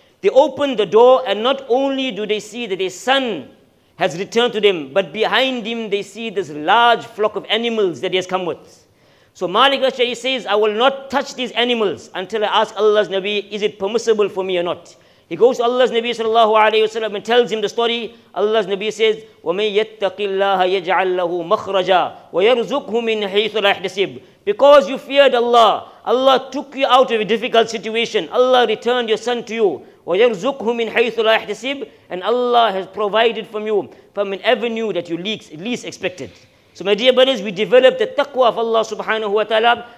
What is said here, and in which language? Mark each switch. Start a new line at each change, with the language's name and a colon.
English: They open the door and not only do they see that his son has returned to them, but behind him they see this large flock of animals that he has come with. So Malik al-Ashja'i says, I will not touch these animals until I ask Allah's Nabi, is it permissible for me or not? He goes to Allah's Nabi sallallahu alayhi wa sallam and tells him the story. Allah's Nabi says,
Arabic: وَمَنْ يَتَّقِ اللَّهَ يَجْعَلْ لَهُ مَخْرَجًا وَيَرْزُقْهُ مِنْ حَيْثُ لَا يَحْتَسِبْ.
English: Because you feared Allah, Allah took you out of a difficult situation. Allah returned your son to you.
Arabic: وَيَرْزُقْهُ مِنْ حَيْثُ لَا يَحْتَسِبْ.
English: And Allah has provided from you from an avenue that you least expected. So my dear brothers, we develop the taqwa of Allah subhanahu wa ta'ala.